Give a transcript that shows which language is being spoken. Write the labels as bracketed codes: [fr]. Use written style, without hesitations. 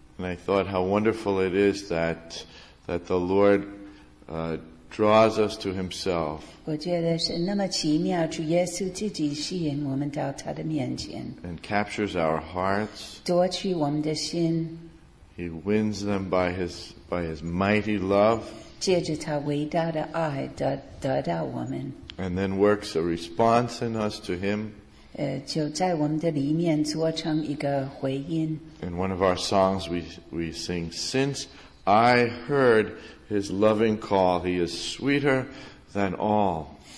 [en] And I thought how wonderful it is that the Lord draws us to himself. [zh] 我觉得是那么奇妙，主耶稣自己吸引我们到他的面前。 [en] And captures our hearts. [zh] 夺取我们的心。 [en] He wins them by his mighty love. [zh] 借着他伟大的爱得到我们。 [en] And then works a response in us to him. [zh] 就在我们的里面做成一个回应。 [en] In one of our songs we sing, Since I heard His loving call, He is sweeter than all.